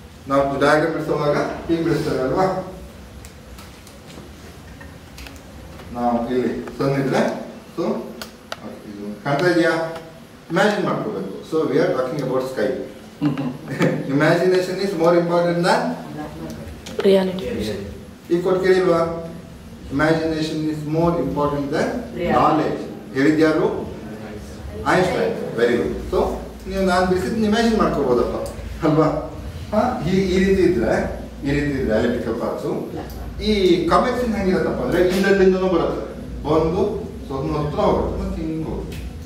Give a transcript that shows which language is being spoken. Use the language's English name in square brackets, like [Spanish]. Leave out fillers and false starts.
[Kannada] ನಾವು ಡಯಾಗ್ರಾಮ್ ಬಿಡಿಸುವಾಗ ಹೀಗೆ ಬಿಡಿಸ್ತಾರೆ ಅಲ್ವಾ, ನಾವು ಇಲ್ಲಿ ಸಣ್ಣಿದ್ರೆ. ಸೊ ಇದು ಕಾಣ್ತಾ ಇದೆಯಾ? ಇಮ್ಯಾಜಿನ್ ಮಾಡ್ಕೋಬೇಕು. [English] So we are talking about sky. Imagination is more important than reality. [Kannada] ಈ ಕೊಟ್ಟು ಕೇಳಿಲ್ವಾ? [English] imagination is more important than knowledge. [Kannada] ಹೇಳಿದ್ ಯಾರು? ಐನ್ಸ್ಟೈನ್. [English] Very good. [Kannada] ಸೊ ನೀವು ನಾನು ಬಿಡಿಸಿದ್ ಇಮ್ಯಾಜಿನ್ ಮಾಡ್ಕೋಬಹುದಪ್ಪ ಅಲ್ವಾ? ಹಾ, ಈ ರೀತಿ ಇದ್ರೆ, ಈ ರೀತಿ ಇದ್ರೆ ಎಲೆಕ್ಟ್ರಿಕಲ್ ಪಾರ್ಟ್ಸ್. ಈ ಕಮೆಟ್ಸ್ ಹೆಂಗಿರತ್ತಪ್ಪ ಅಂದ್ರೆ ಇಲ್ಲಿಂದನೂ ಬರುತ್ತೆ, ಬಂದು ಸ್ವಲ್ಪ ಹತ್ರ ಹೋಗುತ್ತೆ ಮತ್ತೆ ಹಿಂಗೆ ಹೋಗುತ್ತೆ.